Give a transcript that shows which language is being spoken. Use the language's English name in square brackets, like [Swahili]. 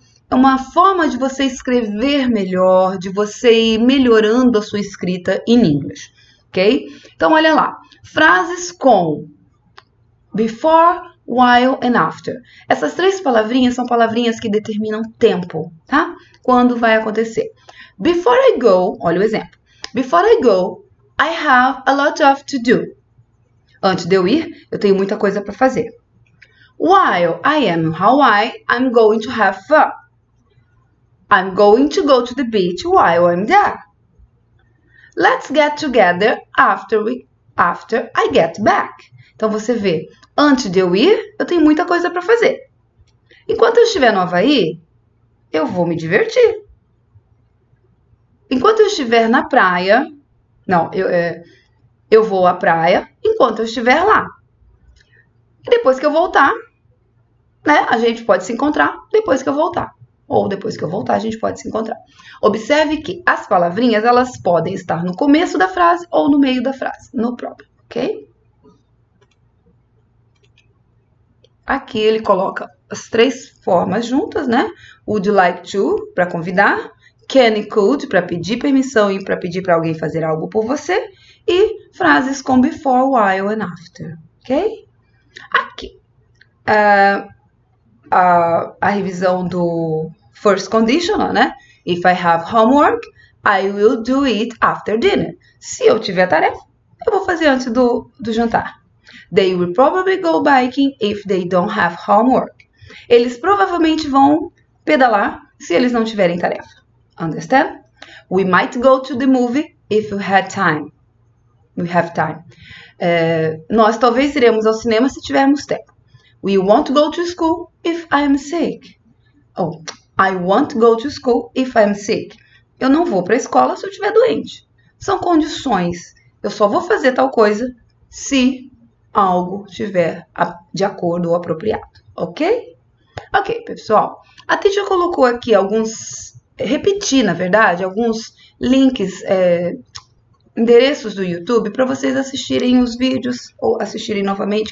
[Portuguese] É uma forma de você escrever melhor, de você ir melhorando a sua escrita em inglês, ok? Então, olha lá. Frases com before, while and after. Essas três palavrinhas são palavrinhas que determinam tempo, tá? Quando vai acontecer. [English] Before I go, [Portuguese] olha o exemplo. [English] Before I go, I have a lot of to do. [Portuguese] Antes de eu ir, eu tenho muita coisa para fazer. [English] While I am in Hawaii, I'm going to have fun. I'm going to go to the beach while I'm there. Let's get together after I get back. [Portuguese] Então você vê, antes de eu ir, eu tenho muita coisa para fazer. Enquanto eu estiver no Havaí, eu vou me divertir. Enquanto eu estiver na praia, não, eu vou à praia enquanto eu estiver lá. E depois que eu voltar, né, a gente pode se encontrar depois que eu voltar. Ou depois que eu voltar, a gente pode se encontrar. Observe que as palavrinhas, elas podem estar no começo da frase ou no meio da frase, no próprio, ok? Aqui ele coloca as três formas juntas, né? Would you like to, para convidar. Can and could, para pedir permissão e para pedir para alguém fazer algo por você. E frases com before, while and after, ok? Aqui, a revisão do first conditional, né? [English] If I have homework, I will do it after dinner. [Portuguese] Se eu tiver tarefa, eu vou fazer antes do jantar. [English] They will probably go biking if they don't have homework. [Portuguese] Eles provavelmente vão pedalar se eles não tiverem tarefa. [English] Understand? We might go to the movie if we had time. We have time. [Portuguese] Nós talvez iremos ao cinema se tivermos tempo. [English] We won't go to school if I am sick. Oh, I won't go to school if I'm sick. [Portuguese] Eu não vou para a escola se eu estiver doente. São condições. Eu só vou fazer tal coisa se algo estiver de acordo ou apropriado. Ok? Ok, pessoal. A teacher colocou aqui alguns. Repeti, na verdade, alguns links, endereços do YouTube para vocês assistirem os vídeos ou assistirem novamente.